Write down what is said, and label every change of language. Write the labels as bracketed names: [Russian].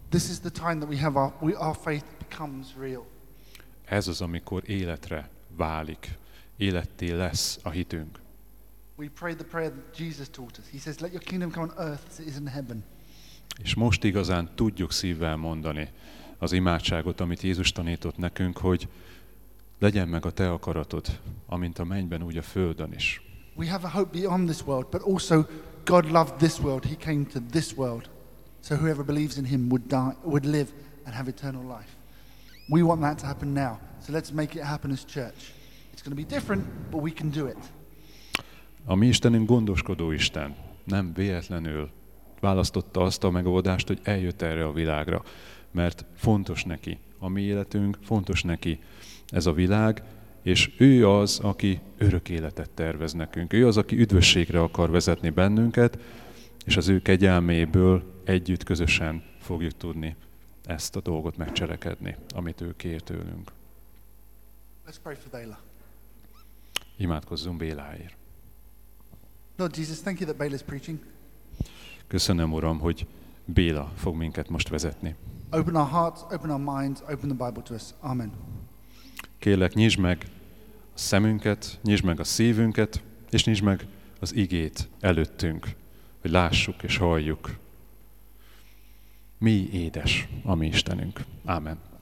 [English] This is the time that we have our faith becomes real. [Hungarian] Ez az, amikor életre válik, életté lesz a hitünk. [English] We pray the prayer that Jesus taught us. He says, "Let your kingdom come on earth as it is in heaven." [Hungarian] És most igazán tudjuk szívvel mondani az imádságot, amit Jézus tanított nekünk, hogy legyen meg a te akaratod, amint a mennyben, úgy a földön is. [English] We have a hope beyond this world, but also God loved this world. He came to this world, so whoever believes in him would die, would live and have eternal life. We want that to happen now, so let's make it happen as church. It's going to be different, but we can do it. [Hungarian] A mi Istenünk gondoskodó Isten, nem véletlenül választotta azt a megoldást, hogy eljött erre a világra, mert fontos neki a mi életünk, fontos neki ez a világ, és ő az, aki örök életet tervez nekünk. Ő az, aki üdvösségre akar vezetni bennünket, és az ő kegyelméből együtt, közösen fogjuk tudni ezt a dolgot megcselekedni, amit ő kér tőlünk. [English] Let's pray for Béla. [Hungarian] Imádkozzunk Béláért. [English] Lord Jesus, thank you that Béla is preaching. [Hungarian] Köszönöm, Uram, hogy Béla fog minket most vezetni. [English] Open our hearts, open our minds, open the Bible to us. Amen. [Hungarian] Kérlek, nyisd meg a szemünket, nyisd meg a szívünket, és nyisd meg az igét előttünk, hogy lássuk és halljuk. Mi édes a mi Istenünk. Amen.